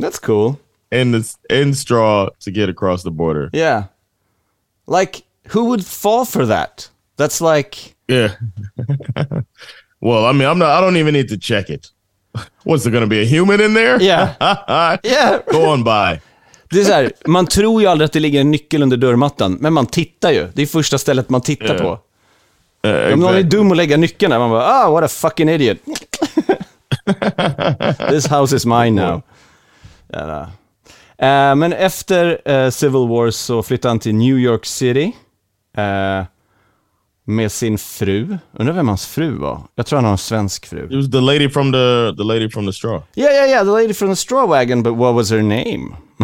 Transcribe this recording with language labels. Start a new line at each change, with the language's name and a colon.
English: That's cool. In straw to get across the border. Yeah. Like, who would fall for that? That's like... Yeah. Well, I mean, I don't even need to check it. What's there going to be a human in there? Yeah. Yeah. Go on by.
Swedish: Det är så här, man tror ju aldrig att det ligger en nyckel under dörrmattan, men man tittar ju. Det är första stället man tittar på. Om någon är dum att lägga nyckeln där, man bara, ah,
English: what a fucking idiot. This house is mine now.
Swedish: Men efter Civil War så flyttade han till New York City med sin fru. Undrar vem hans fru var. Jag tror han har en svensk fru.
English: It was the lady from the lady from the straw. Yeah, the lady from the straw wagon, but what was her name?